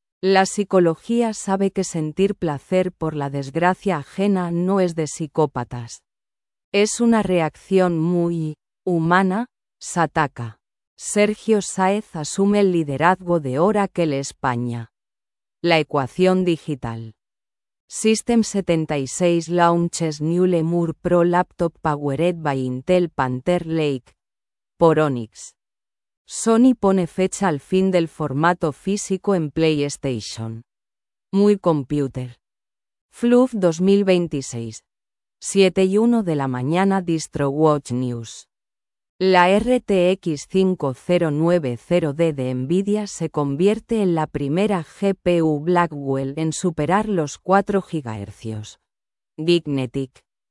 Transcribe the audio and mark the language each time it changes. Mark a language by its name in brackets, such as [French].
[Spanish] La psicología sabe que sentir placer por la desgracia ajena no es de psicópatas. Es una reacción muy humana, Sataka. Sergio Sáez asume el liderazgo de Oracle España. La ecuación digital. [English] System 76 launches new Lemur Pro laptop powered by Intel Panther Lake. [Spanish] Por Onyx. Sony pone fecha al fin del formato físico en PlayStation. Muy computer. Fluff 2026. 7:01 de la mañana DistroWatch News. La RTX 5090D de Nvidia se convierte en la primera GPU Blackwell en superar los 4 GHz. Dignetic.